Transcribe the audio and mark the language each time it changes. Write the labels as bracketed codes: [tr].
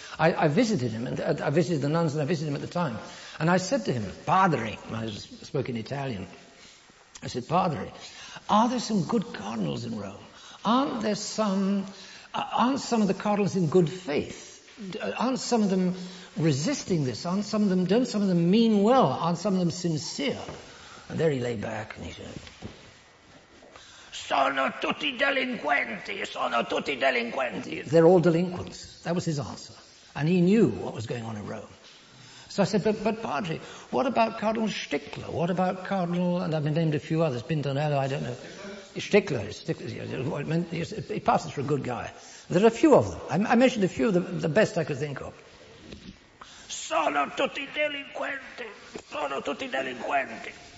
[en] I visited him, and I visited the nuns, and I visited him at the time. And I said to him, Padre, I spoke in Italian. I said, Padre, are there some good cardinals in Rome? Aren't some of the cardinals in good faith? Aren't some of them resisting this? Don't some of them mean well? Aren't some of them sincere? And there he lay back and he said, [it] sono tutti delinquenti, sono tutti delinquenti. [en] They're all delinquents. That was his answer. And he knew what was going on in Rome. So I said, but Padre, what about Cardinal Stickler? What about Cardinal, and I've named a few others, Pintonello, I don't know. Stickler, he passes for a good guy. There are a few of them. I mentioned a few of them, the best I could think of. [it] Sono tutti delinquenti. Sono tutti delinquenti.